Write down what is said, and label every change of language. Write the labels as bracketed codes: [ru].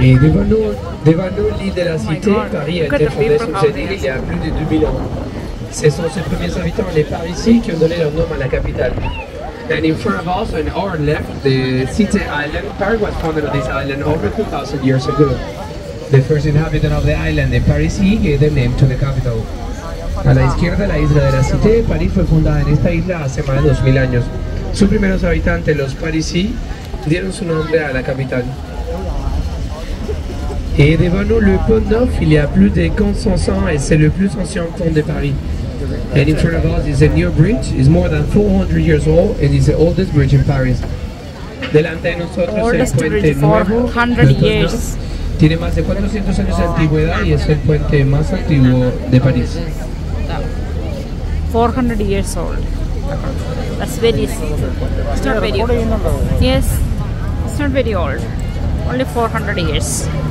[fr] Et devant nous l'île de la cité, Paris a été fondée sur cette île il y a plus de 2000 ans. Ce sont ses premiers habitants, les Parisiens, qui ont donné leur nom à la capitale. [en] And in front of us, on our left, the Seine Island. Paris was founded on this island over 2,000 years ago. The first inhabitant of the island, the Parisiens, gave their name to the capital. [es] A la izquierda, la isla de la Cité, París fue fundada en esta isla hace más de 2000 años. Sus primeros habitantes, los Parisiens, dieron su nombre a la capital. [fr] Et devant nous, le Pont Neuf, il y a plus de 500 ans et c'est le plus ancien pont de Paris. [en] And in front of us is a new bridge, it's more than 400 years old and it's the oldest bridge in Paris. [es] Delante de nosotros es el puente nuevo, [en] 400 years. [es] Tiene más de 400 años de antigüedad y es el puente más antiguo de París. [en] 400 years old. That's very, it's not very old. Yes, it's not very old. Only 400 years.